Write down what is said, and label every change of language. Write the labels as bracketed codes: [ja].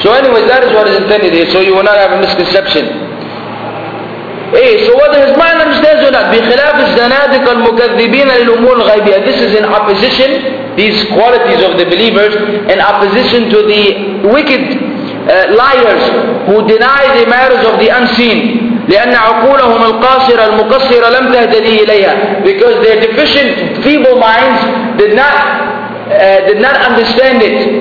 [en] So anyways, that is what is intended here, so you will not have a misconception. So whether his mind understands or not, [ar] بخلاف الزنادق المكذبين للأمور الغيبية. [en] This is in opposition, these qualities of the believers, in opposition to the wicked liars who deny the matters of the unseen. [ar] لأن عقولهم القاصرة المقصرة لم تهتدي إليها. [en] Because their deficient, feeble minds did not understand it.